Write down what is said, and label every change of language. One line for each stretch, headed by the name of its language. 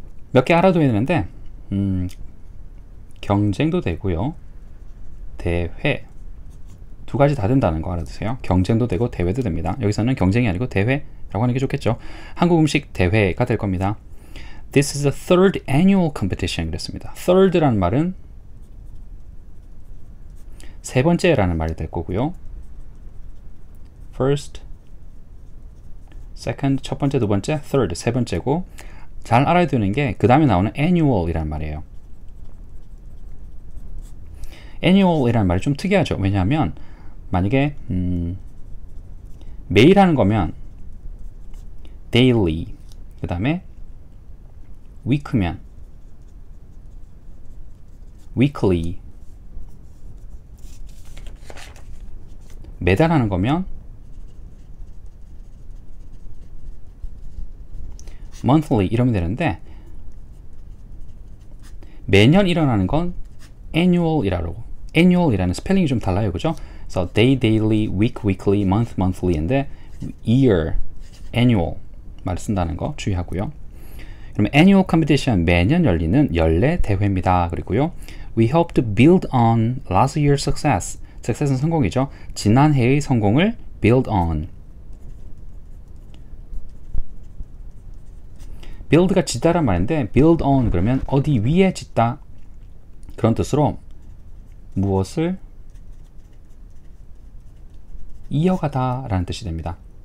Korean: 몇개 알아둬야 되는데, 경쟁도 되고요. 대회. 두 가지 다 된다는 거 알아두세요. 경쟁도 되고 대회도 됩니다. 여기서는 경쟁이 아니고 대회라고 하는 게 좋겠죠. 한국 음식 대회가 될 겁니다.
English: This is the third annual competition.
Korean: 그랬습니다. Third라는 말은 세 번째라는 말이 될 거고요. First, second, 첫 번째, 두 번째, third, 세 번째고, 잘 알아야 되는 게, 그 다음에 나오는 annual이란 말이에요. annual이란 말이 좀 특이하죠. 왜냐하면, 만약에, 매일 하는 거면, daily. 그 다음에, week면, weekly. 매달 하는 거면, monthly 이러면 되는데 매년 일어나는 건 annual이라고. annual이라는 스펠링이 좀 달라요. 그죠? 그래서 day, daily, week, weekly, month, monthly인데 year, annual 말을 쓴다는 거 주의하고요. 그러면 annual competition 매년 열리는 연례 대회입니다. 그리고요.
English: We hope to build on last year's success.
Korean: success는 성공이죠. 지난해의 성공을 build on. build가 짓다란 말인데, build on 그러면 어디 위에 짓다. 그런 뜻으로 무엇을 이어가다라는 뜻이 됩니다.